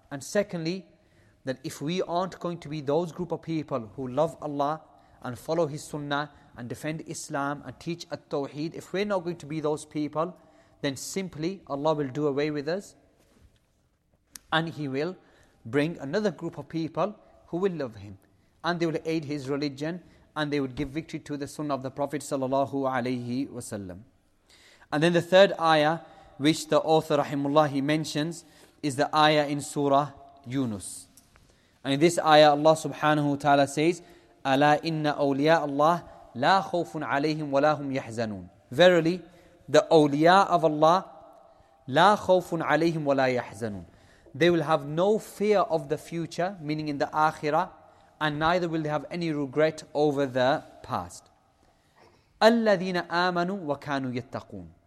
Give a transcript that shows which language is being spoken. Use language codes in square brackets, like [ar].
[en] And secondly, that if we aren't going to be those group of people who love Allah and follow His Sunnah and defend Islam and teach at-tawheed, if we're not going to be those people, then simply Allah will do away with us and He will bring another group of people who will love Him and they will aid His religion and they would give victory to the Sunnah of the Prophet sallallahu alayhi wasallam. And then the third ayah, which the author rahimullah he mentions, is the ayah in Surah Yunus. And in this ayah, Allah subhanahu wa ta'ala says, [ar] أَلَا إِنَّ أَوْلِيَاءَ اللَّهِ لَا خَوْفٌ عَلَيْهِمْ وَلَا هُمْ يَحْزَنُونَ. [en] Verily, the awliya of Allah, [ar] لَا خَوْفٌ عَلَيْهِمْ وَلَا يَحْزَنُونَ. [en] They will have no fear of the future, meaning in the akhirah, and neither will they have any regret over the past. [ar] الَّذِينَ آمَنُوا وَكَانُوا يَتَّقُونَ.